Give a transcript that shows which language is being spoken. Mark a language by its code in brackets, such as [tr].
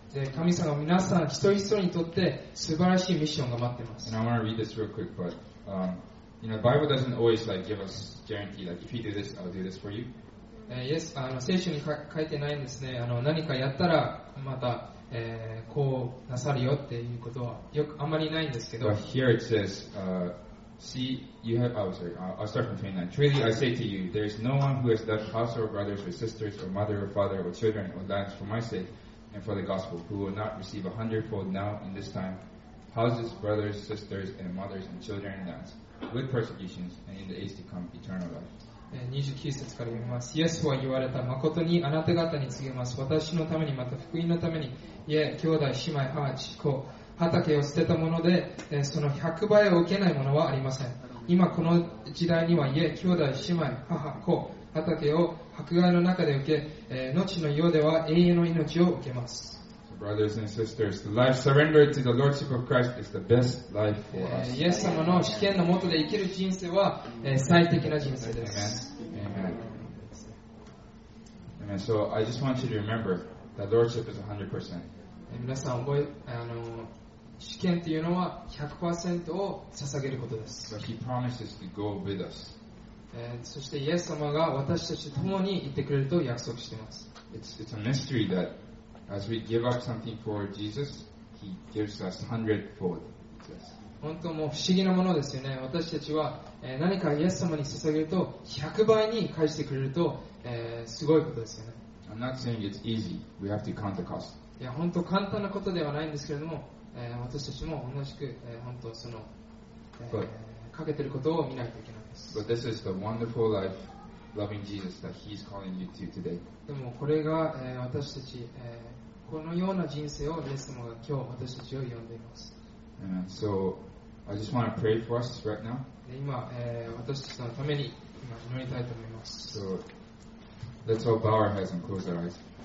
[ja] で、神様は皆さん一人一人にとって素晴らしいミッションが待ってます。 [en] And I want to read this real quick, but, you know, Bible doesn't always like give us guarantee, like if you do this, I'll do this for you. [ja] Yes, 聖書に書いてないんですね。何かやったらまた、こうなさるよっていうことはよくあんまりないんですけど。 [en] But here it says, See, you have. Oh, sorry. I'll start from 29. Truly, I say to you, there is no one who has left house or brothers or sisters or mother or father or children or lands for my sake and for the gospel who will not receive a hundredfold now in this time, houses, brothers, sisters, and mothers and children and lands with persecutions and in the age to come eternal life. [ja] 29節から読みます。イエスは言われた。誠にあなた方に告げます。私のためにまた福音のために、いえ兄弟姉妹母父子。畑を捨てたもので、その100倍を受けないものはありません。今この時代には家、兄弟、姉妹、母、子、畑を迫害の中で受け、後の世では永遠の命を受けます。 [en] So、brothers and sisters, the life surrendered to the Lordship of Christ is the best life for us. [ja] イエス様の主権の下で生きる人生は、最適な人生です。 [en] Amen. Amen. So I just want you to remember that Lordship is 100%. [ja] 皆さん覚え、試験っていうのは 100% を捧げることです。 [en] But he promises to go with us. [ja] そしてイエス様が私たちと共にいてくれると約束しています。 [en] It's a mystery that as we give up something for Jesus, he gives us 100-fold. [ja] 本当もう不思議なものですよね。私たちは何かイエス様に捧げると100倍に返してくれると、すごいことですよね。 [en] I'm not saying it's easy. We have to count the cost. [ja] いや本当簡単なことではないんですけれども、私たちも同じく、本当その、かけてることを見ないといけないです。 [en] But this is the wonderful life, loving Jesus that He's calling you to today. [ja] でもこれが、私たち、このような人生をイエス様が今日私たちを呼んでいます。 [en] And so I just want to pray for us right now. [ja] 今、私たちのために今祈りたいと思います。 [en] So let's all bow our heads and close our eyes.